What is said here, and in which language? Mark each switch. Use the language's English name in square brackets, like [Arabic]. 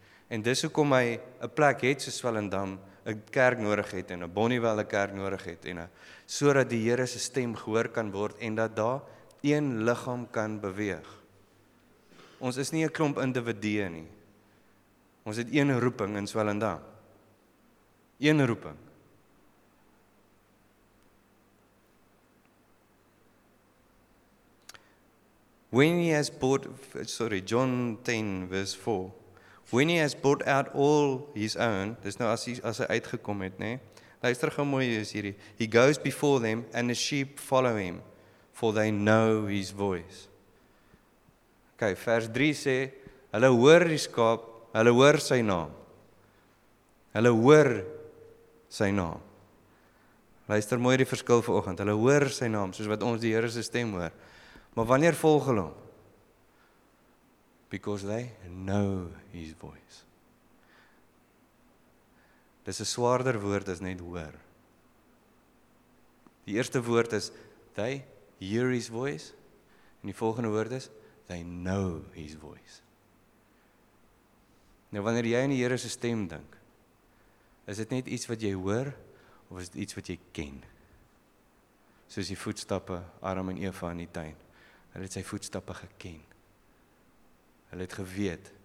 [Afrikaans] En dis hoekom hy 'n plek het soos Swellendam, 'n kerk nodig het en 'n Bonnievale kerk nodig het en sodat die Here se stem gehoor kan word en dat daar een liggaam kan beweeg. Ons is nie 'n klomp individue nie. Ons het een roeping in Swellendam. Een roeping. [English] When he has brought, John 10 verse 4. When he has brought out all his own, [Afrikaans] dis nou as hy uitgekom het, nê? Luister gou mooi is hierdie. [English] He goes before them and the sheep follow him, for they know his voice. [Afrikaans] Okay, vers 3 sê, hulle hoor die skaap, hulle hoor sy naam. Hulle hoor sy naam. Luister mooi die verskil vanoggend. Hulle hoor sy naam, soos wat ons die Here se stem hoor. Maar wanneer volg hulle hom? [English] Because they know his voice. [Afrikaans] Dis 'n swaarder woord as net hoor. Die eerste woord is, [English] they hear his voice. [Afrikaans] En die volgende woord is, [English] they know his voice. [Afrikaans] Nou, wanneer jy in die Here se stem dink, is dit net iets wat jy hoor, of is dit iets wat jy ken? Soos die voetstappe, Adam en Eva in die tuin. Hulle het sy voetstappe geken. Hulle het geweet.